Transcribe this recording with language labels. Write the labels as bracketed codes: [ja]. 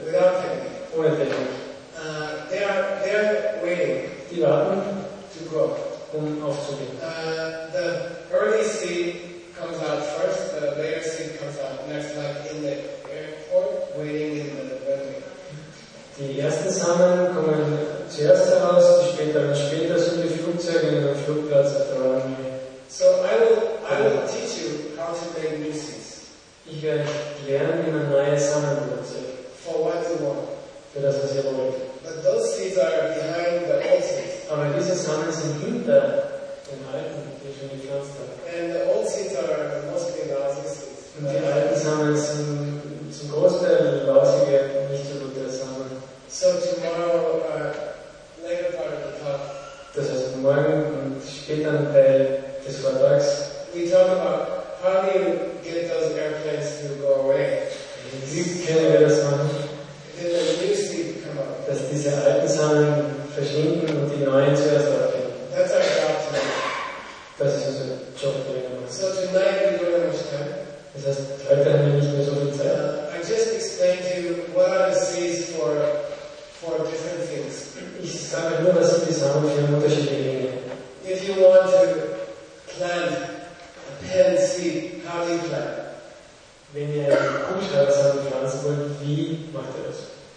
[en] Without thinking. [de] Ohne Thinking. [en] They are waiting. [de] Die warten. [en] To grow. [de] Aufzugehen. [en] The early seed comes out first, the later seed comes out next, like in the airport, waiting in the runway. [de] Die ersten Samen kommen zuerst heraus, die später sind die Flugzeuge in den Flugplatz auf der Runway. [en] So I will teach you how to make new seeds. [de] Ich werde lernen, wie man neue Samen produziert. [en] For what you want. [de] Für das, was ihr wollt. [en] But those seeds are behind the old seeds. [de] Aber diese Samen sind hinter den alten, die schon gepflanzt haben. [en] And the old seeds are mostly lousy seeds. [de] Und die alten Samen sind zum Großteil lausige, nicht so gute Samen. [en] So tomorrow, later part of the talk. [de] Das heißt, morgen und später im Teil des Vortrags. [en] We talk about how do you get those airplanes to go away. [de] Wie können wir das machen? Dass diese alten Samen verschwinden und die neuen zuerst aufgehen. [en] That's our job today. [de] Das ist unser Job, den wir machen. [en] So tonight we don't have much time. [de] Das heißt, heute haben wir nicht mehr so viel Zeit. [en] I just explained to you what are the seeds for different things. [de] Ich sage nur, was sind die Samen für unterschiedliche Dinge. [en] If you want to plant a pen seed, how do you plant? [de] Wenn ihr einen Kuhschreibersamen pflanzen wollt, wie macht ihr das?